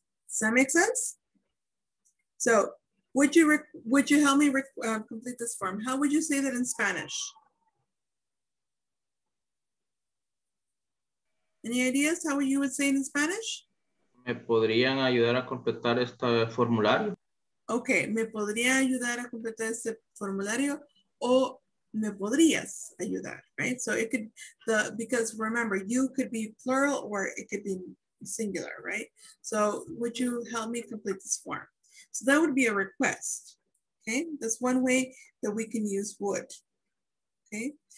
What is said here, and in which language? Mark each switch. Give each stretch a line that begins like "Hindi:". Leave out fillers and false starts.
English: Does that make sense? So would you help me complete this form? How would you say that in Spanish? Any ideas how you would say it in Spanish?
Spanish: ¿Me podrían ayudar a completar este formulario? Okay, me podría ayudar a completar este formulario, o me podrías ayudar,
English: right? So it could, because remember, you could be plural or it could be singular, right? So would you help me complete this form? So that would be a request, okay? That's one way that we can use would, okay?